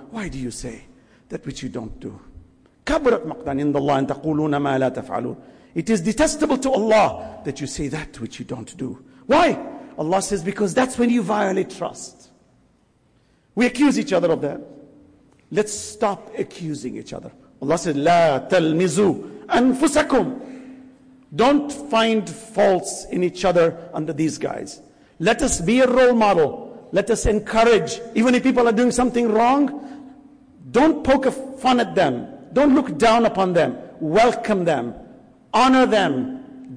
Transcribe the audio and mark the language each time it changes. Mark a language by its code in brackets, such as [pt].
[en] Why do you say that which you don't do? [ar] كَبْرَتْ مَقْدًا إِنَّ اللَّهَ أَن تَقُولُونَ مَا لَا تَفْعَلُونَ. [en] It is detestable to Allah that you say that which you don't do. Why? Allah says, because that's when you violate trust. We accuse each other of that. Let's stop accusing each other. Allah says, [ar] لا تلمزوا أنفسكم. [en] Don't find faults in each other under these guys. Let us be a role model. let us encourage. Even if people are doing something wrong, don't poke fun at them. Don't look down upon them. Welcome them. Honor them.